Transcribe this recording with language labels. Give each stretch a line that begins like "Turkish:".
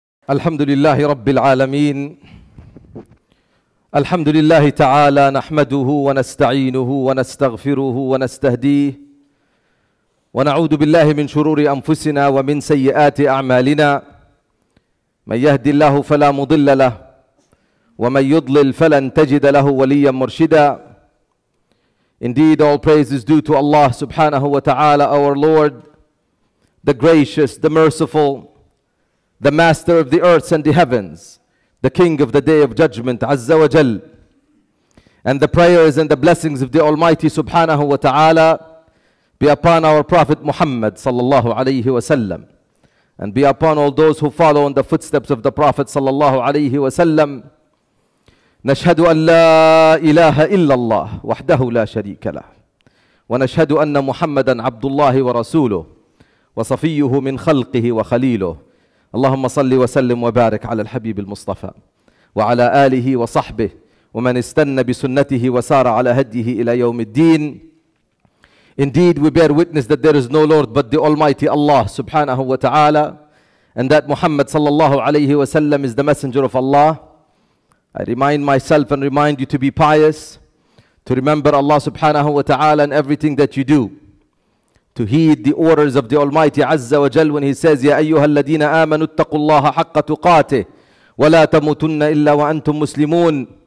Arabic: الحمد لله رب العالمين الحمد لله تعالى نحمده ونستعينه ونستغفره ونستهديه ونعوذ بالله من شرور أنفسنا ومن سيئات أعمالنا من يهدي الله فلا مضل له ومن يضلل فلن تجد له وليا مرشدا.
English: Indeed, all praise is due to Allah subhanahu wa ta'ala, our Lord, the gracious, the merciful, the master of the earths and the heavens, the king of the day of judgment, Azza wa Jal. And the prayers and the blessings of the Almighty subhanahu wa ta'ala be upon our Prophet Muhammad sallallahu alayhi wa sallam, and be upon all those who follow in the footsteps of the Prophet sallallahu alayhi wa sallam.
Arabic: نشهد أن لا إله إلا الله وحده لا شريك له ونشهد أن محمدا عبد الله ورسوله وصفيه من خلقه وخليله اللهم صل وسلم وبارك على الحبيب المصطفى وعلى آله وصحبه ومن استنى بسنته وسار على هديه إلى يوم الدين.
English: Indeed, we bear witness that there is no Lord but the Almighty Allah subhanahu wa ta'ala, and that Muhammad sallallahu alayhi wa sallam is the messenger of Allah. I remind myself and remind you to be pious, to remember Allah subhanahu wa ta'ala in everything that you do, to heed the orders of the Almighty Azza wa Jal when He says,
Arabic: يَا أَيُّهَا الَّذِينَ آمَنُوا اتَّقُوا اللَّهَ حَقَّ تُقَاتِهِ وَلَا تَمُوتُنَّ إِلَّا وَأَنْتُمْ مُسْلِمُونَ.